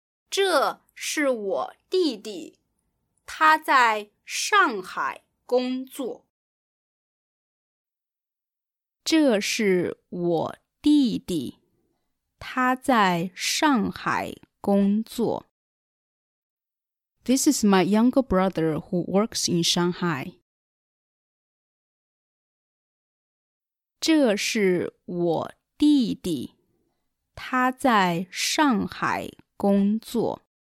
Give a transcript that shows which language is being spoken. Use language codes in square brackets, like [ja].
[zh] 这是我弟弟，他在上海工作。这是我弟弟，他在上海工作。 [en] This is my younger brother who works in Shanghai. [zh] 这是我弟弟，他在上海工作。